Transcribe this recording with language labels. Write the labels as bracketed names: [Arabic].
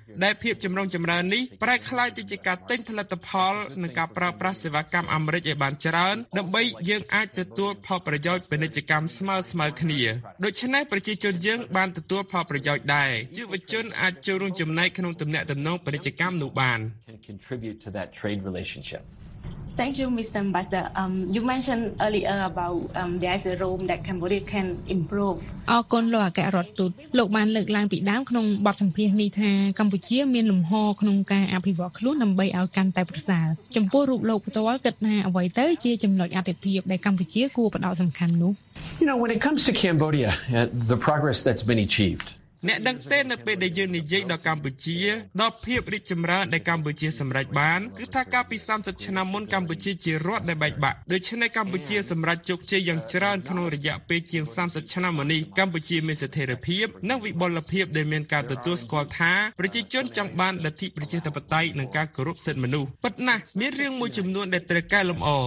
[Khmer] ដែលភាពចម្រុងចម្រើននេះប្រែក្លាយទៅជាការទិញផលិតផលនិងការប្រើប្រាស់សេវាកម្មអាមេរិកឱ្យបានច្រើនដើម្បីយើងអាចទទួលផលប្រយោជន៍ពាណិជ្ជកម្មស្មើគ្នាដូច្នេះប្រជាជនយើងបានទទួលផលប្រយោជន៍ដែរយុវជនអាចចូលរួមចំណែកក្នុងទំនាក់ទំនងពាណិជ្ជកម្មនោះបាន [English] tribute to that trade relationship. Thank you, Mr. Ambassador. You mentioned earlier about there's a room that Cambodia can improve. [Khmer] អរគុណលោកអគ្គរដ្ឋទូតលោកបានលើកឡើងពីដើមក្នុងបទសម្ភាសន៍នេះថាកម្ពុជាមានលំហក្នុងការអភិវឌ្ឍខ្លួនដើម្បីឲ្យកាន់តែប្រសើរចំពោះរូបលោកផ្ទាល់គិតថាអ្វីទៅជាចំណុចអាទិភាពដែលកម្ពុជាគួរផ្តោតសំខាន់នោះ [English] You know, when it comes to Cambodia, the progress that's been achieved [Khmer] អ្នកដឹងទេនៅពេលដែលយើងនិយាយដល់កម្ពុជាដល់ភាពរីកចម្រើនដែលកម្ពុជាសម្រេចបានគឺថាកាលពី30ឆ្នាំមុនកម្ពុជាជារដ្ឋដែលបែកបាក់ដូច្នេះកម្ពុជាសម្រេចជោគជ័យយ៉ាងច្រើនក្នុងរយៈពេលជាង30ឆ្នាំមកនេះកម្ពុជាមានស្ថិរភាពនិងវិបុលភាពដែលមានការទទួលស្គាល់ថាប្រជាជនចង់បានលទ្ធិប្រជាធិបតេយ្យនិងការគោរពសិទ្ធិមនុស្សប៉ុន្តែមានរឿងមួយចំនួនដែលត្រូវកែលម្អ